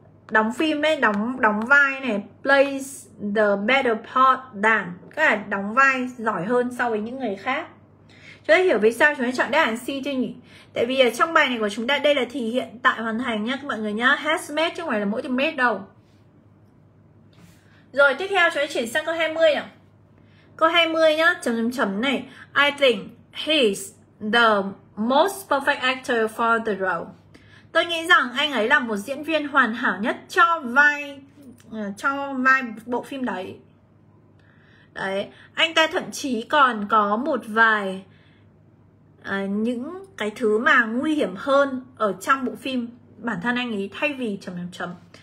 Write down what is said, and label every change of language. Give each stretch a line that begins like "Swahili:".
Vietnamese: Đóng phim ấy, đóng vai này,
English: plays the better part than,
Vietnamese: các bạn đóng vai giỏi hơn so với những người khác. Chúng ta hiểu vì sao chúng ta chọn đáp án C chưa nhỉ? Tại vì ở trong bài này của chúng ta đây là thì hiện tại hoàn thành nhá các mọi người nhá,
English: has made
Vietnamese: chứ không phải là mỗi từ made đâu. Rồi tiếp theo chúng ta chuyển sang câu 20 nhỉ? Câu 20 nhá, chấm chấm chấm này.
English: I think he's the most perfect actor for the role.
Vietnamese: Tôi nghĩ rằng anh ấy là một diễn viên hoàn hảo nhất cho vai bộ phim đấy. Đấy, anh ta thậm chí còn có một vài những cái thứ mà nguy hiểm hơn ở trong bộ phim bản thân anh ấy thay vì chấm chấm chấm.